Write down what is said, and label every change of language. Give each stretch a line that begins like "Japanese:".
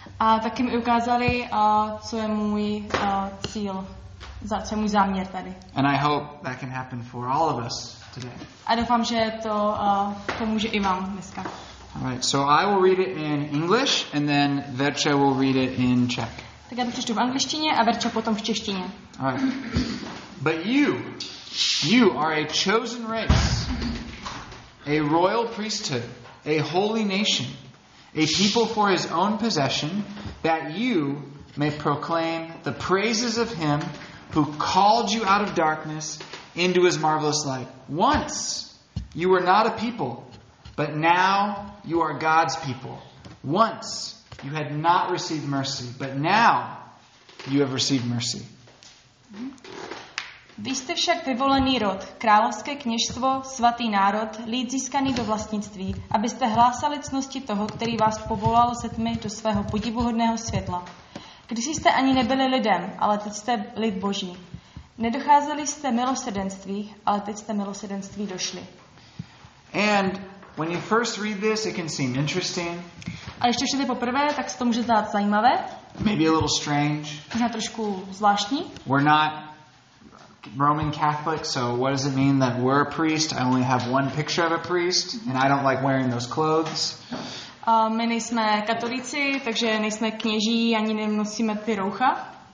Czech: A taky mi ukázali, co je můj cíl, co je můj záměr tady.
English: And I hope that can happen for all of us today.
Czech: A doufám, že to pomůže i vám dneska.
English: All right, so I will read it in English and then Verča will read it in Czech.
Czech: Tak já to přečtu v angličtině a Verča potom v češtině.
English: All right. But you are a chosen race, a royal priesthood, a holy nation, a people for his own possession, that you may proclaim the praises of him who called you out of darkness into his marvelous light. Once you were not a people, but now you are God's people. Once you had not received mercy, but now you have received mercy.
Czech: Vy jste však vyvolený rod, královské kněžstvo, svatý národ, lid získaný do vlastnictví, abyste hlásali cnosti toho, který vás povolal ze tmy do svého podivuhodného světla. Když jste ani nebyli lidem, ale teď jste lid Boží. Nedocházeli jste milosrdenství, ale teď jste milosrdenství došli.
English: And when you first read this, it can seem interesting.
Czech: A když to čtete poprvé, tak se to může zdát zajímavé.
English: Maybe a little strange.
Czech: Možná trošku zvláštní.
English: We're not Roman Catholic, so what does it mean that we're a priest? I only have one picture of a priest, and I don't like wearing those clothes.
Czech: My nejsme katolíci, takže nejsme kněží, ani nenosíme ty roucha.